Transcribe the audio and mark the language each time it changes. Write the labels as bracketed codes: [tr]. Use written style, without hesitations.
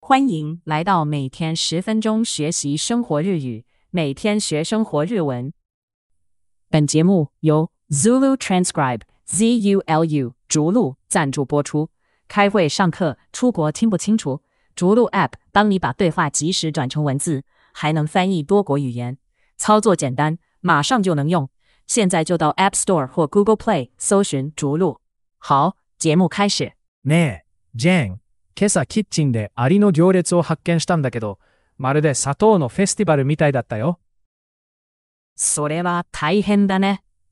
[zh] 欢迎来到每天十分钟学习生活日语，每天学生活日文。本节目由 Zulu Transcribe ZULU 逐鹿赞助播出。开会、上课、出国听不清楚，逐鹿 App 帮你把对话及时转成文字，还能翻译多国语言，操作简单，马上就能用。现在就到 App Store 或 Google Play 搜寻逐鹿。好，节目开始。 [ja] ねえ、Jane。今朝キッチンでアリの行列を発見したんだけど、まるで砂糖のフェスティバルみたいだったよ。それは大変だね。